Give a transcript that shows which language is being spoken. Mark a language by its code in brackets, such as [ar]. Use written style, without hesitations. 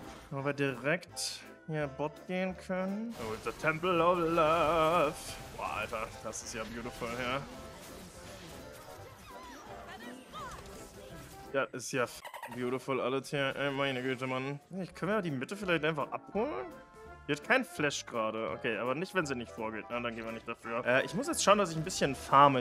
[de] Wo wir direkt hier Bot gehen können. [en] Oh, it's the Temple of Love. [de] Boah, Alter, das ist ja beautiful, ja. Das ist ja f***ing beautiful alles hier. Ey, meine Güte, Mann. Können wir die Mitte vielleicht einfach abholen? Die hat keinen Flash gerade. Okay, aber nicht, wenn sie nicht vorgeht. Na, dann gehen wir nicht dafür. Ich muss jetzt schauen, dass ich ein bisschen farme.